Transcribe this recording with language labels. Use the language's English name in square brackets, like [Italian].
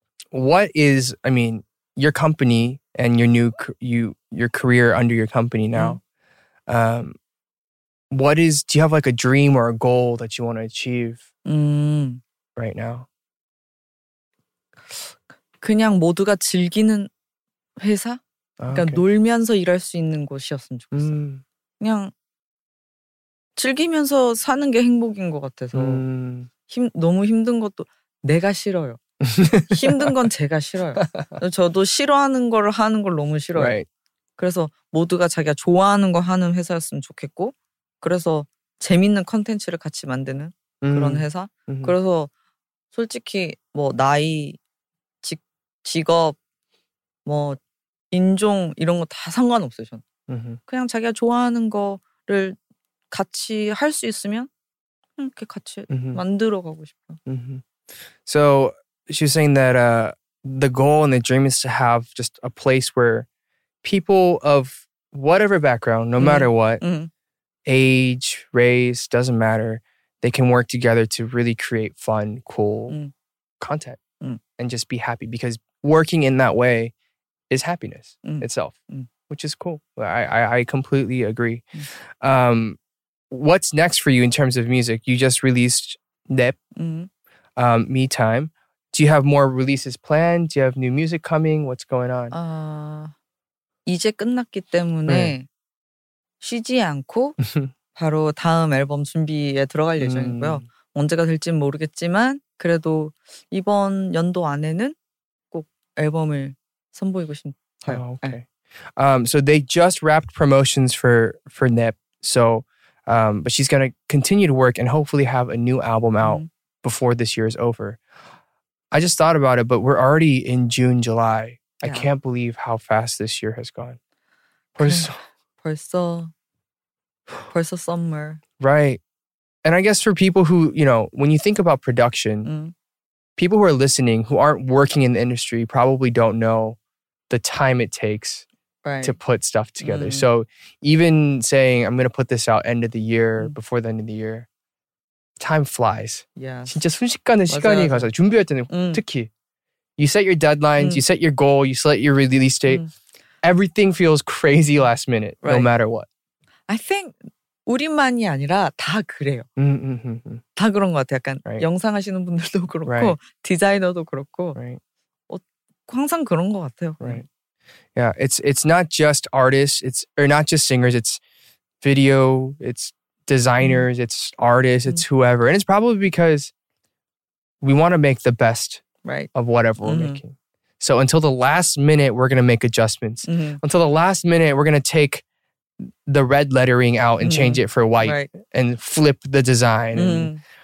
[English] What is… I mean… Your company… And your new… Your career under your company now… what is… Do you have like a dream or a goal that you want to achieve… Right now? [Korean] 그냥 모두가 즐기는 회사? 그러니까 놀면서 일할 수 있는 곳이었으면 좋겠어요. 그냥 즐기면서 사는 게 행복인 것 같아서 힘 너무 힘든 것도 내가 싫어요. 힘든 건 제가 싫어요. 저도 싫어하는 걸 하는 걸 너무 싫어요. [English] Right. [Korean] 그래서 모두가 자기가 좋아하는 거 하는 회사였으면 좋겠고 그래서 재밌는 컨텐츠를 같이 만드는 그런 회사. 그래서 솔직히 뭐 나이, 직업, 뭐 인종 이런 거 다 상관없어요. 전 그냥 자기가 좋아하는 거를 같이 할 수 있으면 이렇게 같이 만들어 가고 싶어요. [English] So she's saying that the goal and the dream is to have just a place where people of whatever background, no matter what, age, race, doesn't matter, they can work together to really create fun, cool content and just be happy. Because working in that way is happiness itself, which is cool. I completely agree. What's next for you in terms of music? You just released Nep, Me Time. Do you have more releases planned? Do you have new music coming? What's going on? [Korean] 이제 끝났기 때문에 쉬지 않고 바로 다음 앨범 준비에 들어갈 예정이고요. 언제가 될지는 모르겠지만 그래도 이번 연도 안에는 꼭 앨범을 선보이고 싶어요. [English] Oh, okay. So they just wrapped promotions for Nep. So, but she's going to continue to work and hopefully have a new album out before this year is over. I just thought about it, but we're already in June, July. Yeah. I can't believe how fast this year has gone. [Korean] 벌써 [English] summer. Right. And I guess for people who, you know, when you think about production, people who are listening, who aren't working in the industry, probably don't know the time it takes to put stuff together. So even saying, I'm going to put this out end of the year, before the end of the year, time flies. Yes. [Korean] 진짜 순식간에 시간이 가서 준비할 때는 특히 [English] you set your deadlines, you set your goal, you set your release date. Everything feels crazy last minute, no matter what. I think [Korean] 우리만이 아니라 다 그래요. 다 그런 것 같아요. 약간 영상 하시는 분들도 그렇고 디자이너도 그렇고 항상 그런 것 같아요. [English] Yeah, it's not just artists, or not just singers, it's video, it's designers, it's artists, it's whoever. And it's probably because we want to make the best of whatever we're making. So until the last minute, we're going to make adjustments. Until the last minute, we're going to take the red lettering out and change it for white and flip the design.